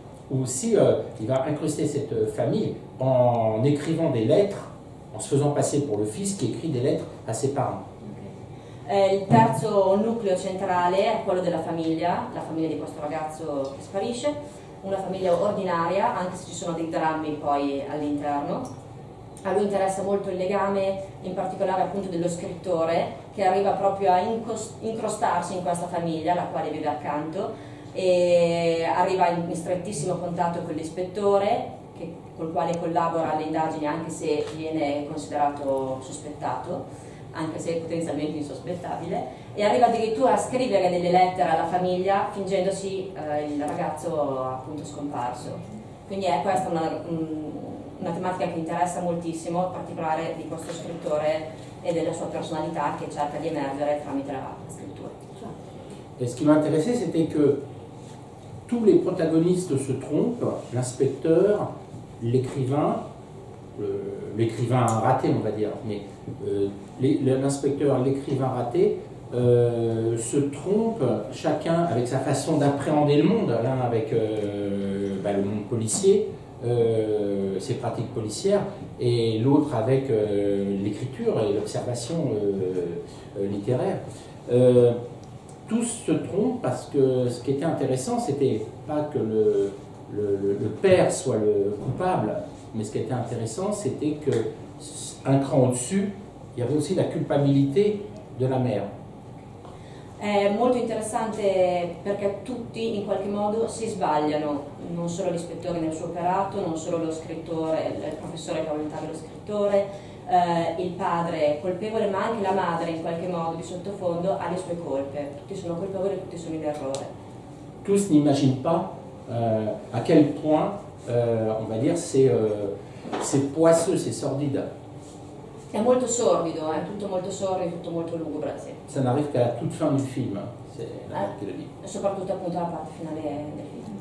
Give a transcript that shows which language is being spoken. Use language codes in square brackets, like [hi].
[fr] aussi il va incruster cette famille en écrivant des lettres, en se faisant passer pour le fils qui écrit des lettres à ses parents. [it] Il terzo nucleo centrale è quello della famiglia, la famiglia di questo ragazzo che sparisce, una famiglia ordinaria, anche se ci sono dei drammi poi all'interno. A lui interessa molto il legame, in particolare appunto dello scrittore, che arriva proprio a incrostarsi in questa famiglia, la quale vive accanto, e arriva in strettissimo contatto con l'ispettore, che, col quale collabora alle indagini, anche se viene considerato sospettato, anche se è potenzialmente insospettabile, e arriva addirittura a scrivere delle lettere alla famiglia fingendosi il ragazzo appunto scomparso. Quindi è questa una tematica che interessa moltissimo, in particolare di questo scrittore e della sua personalità che cerca di emergere tramite la scrittura. [fr] E ce qui m'a intéressé c'était que tous les protagonistes se trompent, l'inspecteur, l'écrivain, l'écrivain raté, on va dire, mais l'inspecteur, l'écrivain raté, se trompent chacun avec sa façon d'appréhender le monde, l'un avec le monde policier, ses pratiques policières, et l'autre avec l'écriture et l'observation littéraire. Tous se trompent parce que ce qui était intéressant, c'était pas que le père soit le coupable, mais ce qui était intéressant, c'était que un cran au-dessus, il y avait aussi la culpabilité de la mère. [it] È molto interessante perché tutti in qualche modo si sbagliano, non solo l'ispettore nel suo operato, non solo lo scrittore, il professore che ha volontato lo scrittore, il padre colpevole, ma anche la madre in qualche modo di sottofondo ha le sue colpe. Tutti sono colpevoli, tutti sono in errore. [fr] Tous n'imaginent pas à quel point on va dire c'est poisseux, c'est sordide. [it] È molto sordido, è tutto molto sordido, tutto molto lugubre. Sì. [fr] Ça n'arrive qu'à la toute fin du film, c'est la parte qui le dit. [it] Soprattutto appunto la parte finale del film.